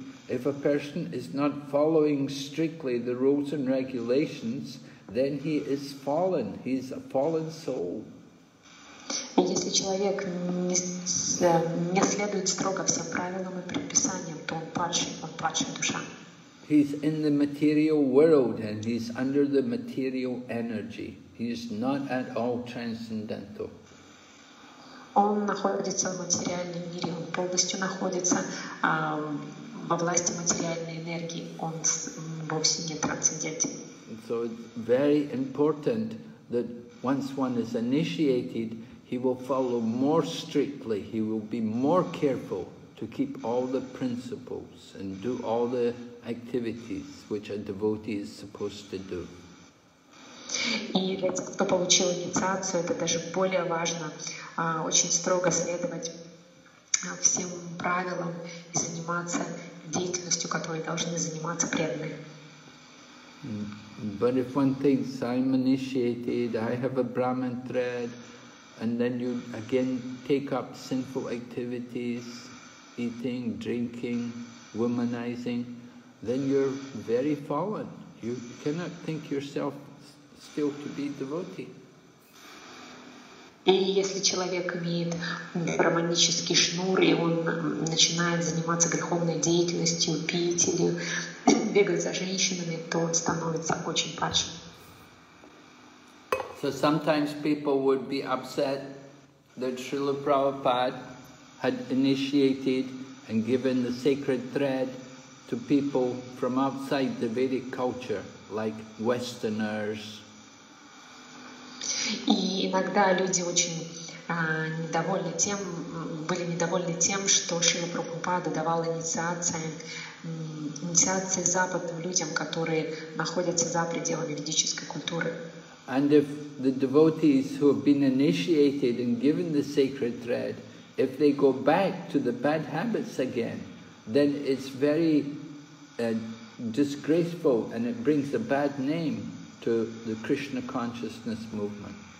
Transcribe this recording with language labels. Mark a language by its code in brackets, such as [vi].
[en] If a person is not following strictly the rules and regulations, then he is fallen. He is a fallen soul. [ru] Если человек не следует строго всем правилам и предписаниям, то он падший душа. [en] He's in the material world and he's under the material energy. He is not at all transcendental. [ru] Он находится в материальном мире, он полностью находится во власти материальной энергии, он вовсе не трансцендентен. [en] So it's very important that once one is initiated, he will follow more strictly, he will be more careful to keep all the principles and do all the activities which a devotee is supposed to do. [ru] И для тех, кто получил инициацию, это даже более важно, очень строго следовать всем правилам и заниматься деятельностью, которой должны заниматься преданные. [en] But if one thinks, I'm initiated, I have a Brahman thread, and then you again take up sinful activities, eating, drinking, womanizing, then you're very fallen. You cannot think yourself still to be devotee. [ru] И если человек имеет браманический шнур, и он начинает заниматься греховной деятельностью, пить или бегать за женщинами, то он становится очень падшим. [en] So sometimes people would be upset that Srila Prabhupada had initiated and given the sacred thread to people from outside the Vedic culture, like Westerners. [ru] И иногда люди очень недовольны тем, были недовольны тем, что Шрила Прабхупада давал инициации западным людям, которые находятся за пределами ведической культуры. [en] And if the devotees who have been initiated and given the sacred thread, if they go back to the bad habits again, then it's very disgraceful and it brings a bad name to the Krishna consciousness movement.